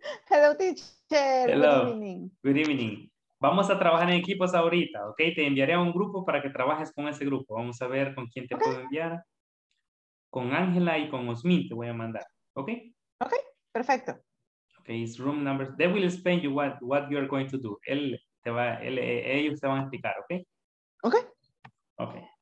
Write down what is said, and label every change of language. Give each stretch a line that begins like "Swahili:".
English: Hello, teacher. Hello. Good evening. Good evening.
Spanish: Vamos a trabajar en equipos ahorita, ok? Te enviaré a un grupo para que trabajes con ese grupo. Vamos a ver con quién te okay. puedo enviar. Con Ángela y con Osmin te voy a mandar, ok? Ok, perfecto.
English: Okay, it's room number. They will explain you what you are going to do.
Spanish: Él te va, él, ellos te van a explicar, ok?
English: Ok. Ok.